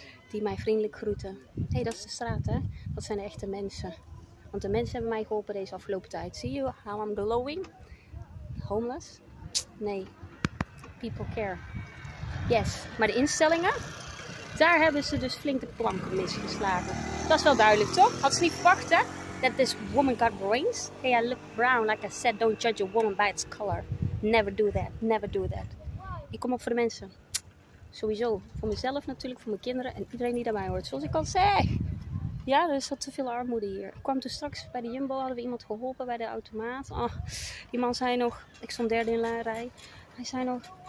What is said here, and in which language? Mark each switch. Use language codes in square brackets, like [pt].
[nl] Die mij vriendelijk groeten. Hé, hey, dat is de straat, hè. Dat zijn de echte mensen. Want de mensen hebben mij geholpen deze afgelopen tijd. [en] See you, how I'm glowing. Homeless? [nl] Nee. [en] People care. Yes. [nl] Maar de instellingen? Daar hebben ze dus flink de planken misgeslagen. Dat is wel duidelijk, toch? Had ze niet verwacht, hè? [en] That this woman got brains. Hey, I look brown. Like I said, don't judge a woman by its color. Never do that. Never do that. [nl] Ik kom op voor de mensen. Sowieso. Voor mezelf natuurlijk. Voor mijn kinderen. En iedereen die daarbij hoort. Zoals ik al zeg. Ja, er zat te veel armoede hier. Ik kwam toen straks bij de Jumbo. Hadden we iemand geholpen bij de automaat. Oh, die man zei nog. Ik stond derde in de rij. Hij zei nog.